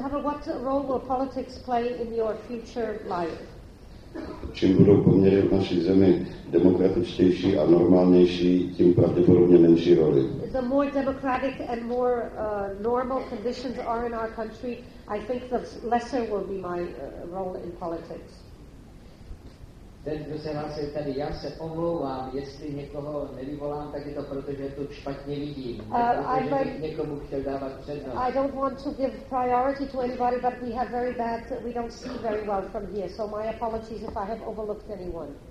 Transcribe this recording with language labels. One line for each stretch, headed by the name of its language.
English: Havel, what role will politics play in your future life?
Czech: Čím budou poměry v naší zemi demokratičtější a normálnější, tím pravděpodobně menší roli.
English: The more democratic and more normal conditions are in our country, I think the lesser will be my role in politics.
Czech: Ten, kdo se hlásí tady, já se omlouvám, jestli někoho nevyvolám, tak je to proto, že to špatně vidím. Někomu chtěl dávat přednost.
English: I don't want to give priority to anybody, but we have very bad, we don't see very well from here, so my apologies if I have overlooked anyone.